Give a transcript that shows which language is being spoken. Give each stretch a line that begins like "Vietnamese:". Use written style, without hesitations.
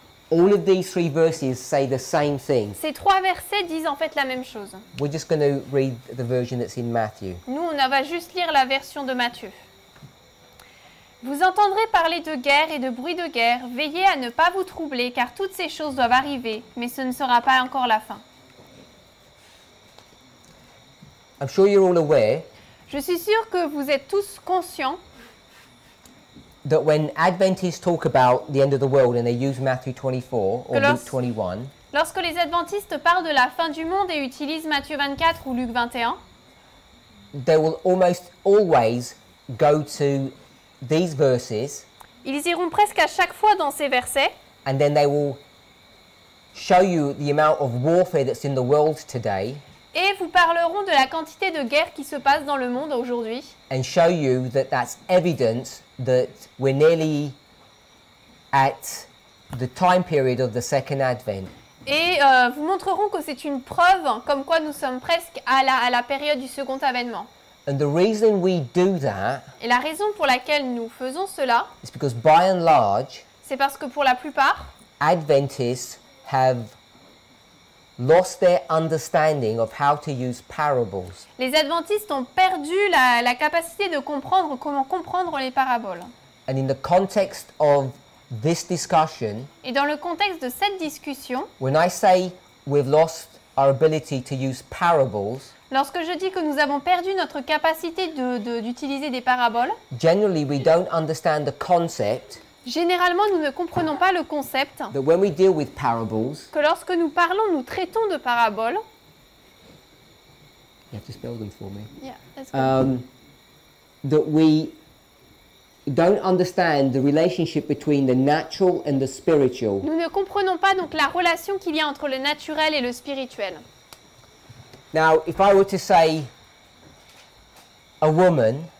English: All of these three verses say the same thing.
French: Ces trois versets disent en fait la même chose.
English: We're just going to read the version that's in Matthew.
French: Nous, on va juste lire la version de Matthieu. Vous entendrez parler de guerre et de bruit de guerre. Veillez à ne pas vous troubler, car toutes ces choses doivent arriver, mais ce ne sera pas encore la fin.
English: I'm sure you're all aware.
French: Je suis sûr que vous êtes tous conscients.
English: That when Adventists talk about the end of the world and they use Matthew 24 or Luke 21.
French: Lorsque les Adventistes parlent de la fin du monde et utilisent Matthieu 24 ou Luc 21,
English: they will almost always go to these verses.
French: Ils iront presque à chaque fois dans ces versets.
English: And then they will show you the amount of warfare that's in the world today.
French: Et vous parleront de la quantité de guerre qui se passe dans le monde aujourd'hui.
English: And show you that that's evidence that we're nearly at the time period of the second advent.
French: Et vous montreront que c'est une preuve comme quoi nous sommes presque à la période du second avènement.
English: And the reason we do that.
French: Et la raison pour laquelle nous faisons cela.
English: Is because by and large.
French: C'est parce que pour la plupart.
English: Adventists have lost their understanding of how to use parables.
French: Les Adventistes ont perdu la capacité de comprendre comment comprendre les paraboles.
English: And in the context of this discussion,
French: et dans le contexte de cette discussion,
English: when I say we've lost our ability to use parables,
French: lorsque je dis que nous avons perdu notre capacité d'utiliser des paraboles,
English: generally we don't understand the concept.
French: Généralement, nous ne comprenons pas le concept
English: that when we deal with parables,
French: que lorsque nous parlons, nous traitons de paraboles.
English: You have to spell them for me. Yeah, that's good. That we don't understand the relationship between the natural and the spiritual.
French: Nous ne comprenons pas donc la relation qu'il y a entre le naturel et le spirituel.
English: Now, if I were to say a woman.